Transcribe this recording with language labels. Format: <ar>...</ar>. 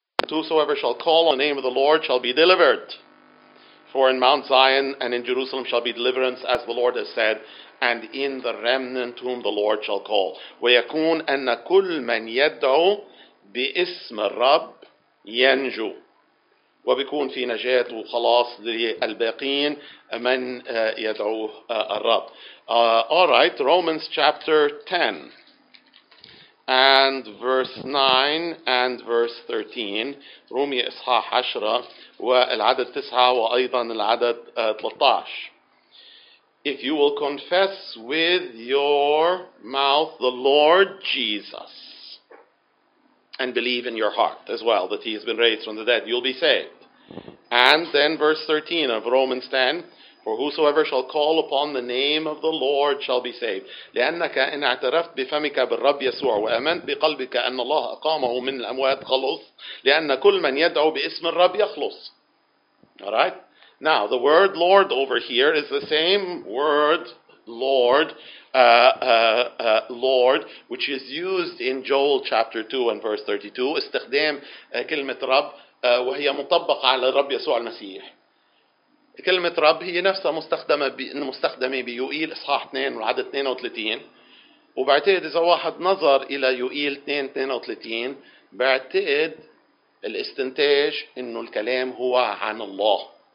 <en>Whosoever shall call on the name of the Lord shall be delivered. For in Mount Zion and in Jerusalem shall be deliverance, as the Lord has said, and in the remnant whom the Lord shall call.</en> <ar>ويكون أن كل من يدعو باسم الرب ينجو. وبيكون في نجاة وخلاص للباقين من يدعو الرب.</ar> <en>Alright, Romans chapter 10 and verse 9 and verse 13.</en> <ar>رومي إصحاح 10 والعدد 9 وأيضا العدد 13.</ar> <en>If you will confess with your mouth the Lord Jesus and believe in your heart as well that he has been raised from the dead, you'll be saved. And then verse 13 of Romans 10, for whosoever shall call upon the name of the Lord shall be saved.</en> <ar>لأنك إن اعترفت بفمك بالرب يسوع وأمنت بقلبك أن الله أقامه من الأموات خلص لأن كل من يدعو باسم الرب يخلص.</ar> <en>Alright? Now, the word Lord over here is the same word Lord, Lord, which is used in Joel chapter 2 and verse 32.</en> <ar>استخدام كلمة رب وهي مطبقة على الرب يسوع المسيح. كلمة رب هي نفسها مستخدمة بيوئيل إصحاح 2 والعدد 32. وبعتقد إذا واحد نظر إلى يوئيل 2:32 بعتقد الاستنتاج إنه الكلام هو عن الله.</ar>